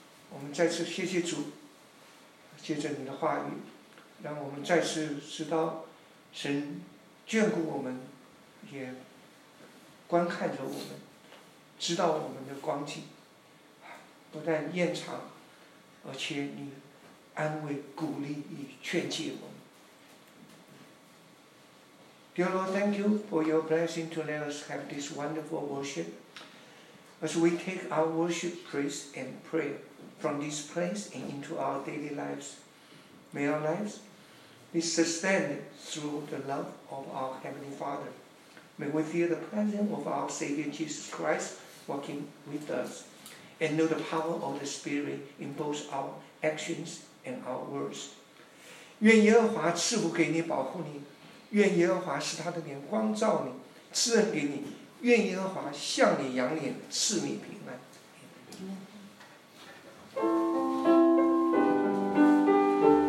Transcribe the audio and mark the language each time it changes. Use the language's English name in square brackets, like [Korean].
[Chinese] 我们再次谢谢主，借着你的话语，让我们再次知道神眷顾我们，也观看着我们，知道我们的光景，不但验察，而且你安慰鼓励与劝诫我们。 [English] Dear Lord, thank you for your blessing to let us have this wonderful worship. As we take our worship, praise and prayer from this place and into our daily lives, may our lives be sustained through the love of our Heavenly Father. May we feel the presence of our Savior Jesus Christ walking with us and know the power of the Spirit in both our actions and our words. [Chinese] 愿耶和华赐福给你，保护你，愿耶和华使他的脸光照你，赐恩给你，愿耶和华向你扬脸，赐你平安。